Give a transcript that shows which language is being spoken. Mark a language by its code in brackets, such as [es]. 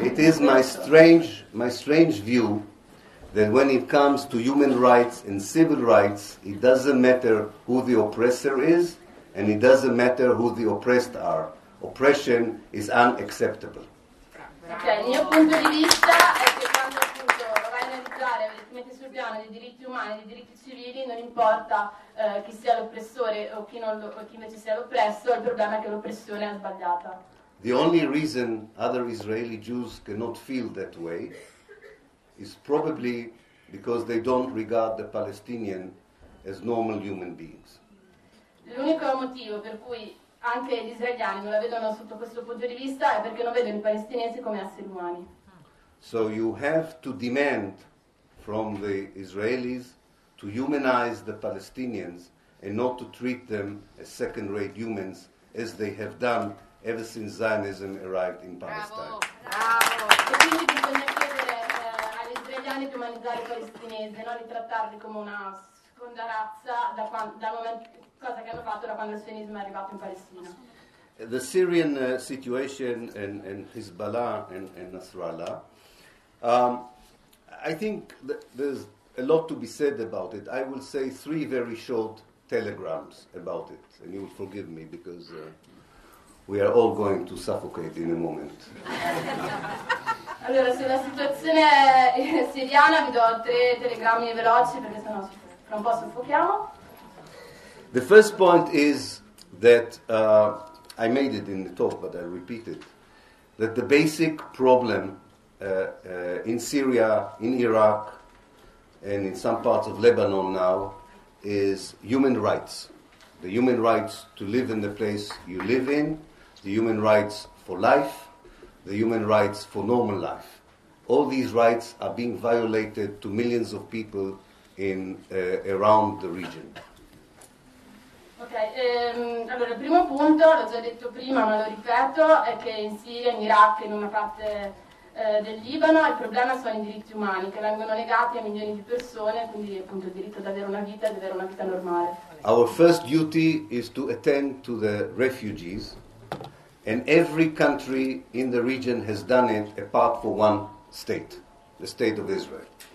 [en] It is my strange view that when it comes to human rights and civil rights, it doesn't matter who the oppressor is and it doesn't matter who the oppressed are. Oppression is unacceptable. [it] Okay, il mio punto di vista è che quando appunto vai a analizzare, metti sul piano dei diritti umani, dei diritti civili, non importa chi sia l'oppressore o chi non lo, o chi invece sia l'oppresso, il problema è che l'oppressione è sbagliata. [en] The only reason other Israeli Jews cannot feel that way is probably because they don't regard the Palestinian as normal human beings. [it] L'unico motivo per cui anche gli israeliani non la vedono sotto questo punto di vista è perché non vedono i palestinesi come esseri umani. [en] So you have to demand from the Israelis to humanize the Palestinians and not to treat them as second-rate humans as they have done ever since Zionism arrived in Palestine. [it] Bravo. Bravo. E quindi bisogna chiedere agli israeliani di umanizzare i palestinesi, non di trattarli come una seconda razza da momento, cosa che hanno fatto da quando il sionismo è arrivato in Palestina. [en] the Syrian situation and Hezbollah and Nasrallah, I think there's a lot to be said about it. I will say three very short telegrams about it, and you will forgive me because we are all going to suffocate in a moment. [it] Allora, sulla situazione siriana vi do tre telegrammi veloci perché sennò fra un po' soffochiamo. [en] The first point is that I made it in the talk, but I repeat it, that the basic problem in Syria, in Iraq, and in some parts of Lebanon now is human rights. The human rights to live in the place you live in, the human rights for life, the human rights for normal life. All these rights are being violated to millions of people in around the region. [it] Ok, allora il primo punto, l'ho già detto prima ma lo ripeto, è che in Siria, in Iraq e in una parte del Libano il problema sono i diritti umani che vengono legati a milioni di persone, quindi appunto il diritto ad avere una vita e ad avere una vita normale. [en] Our first duty is to attend to the refugees, and every country in the region has done it apart for one state, the state of Israel.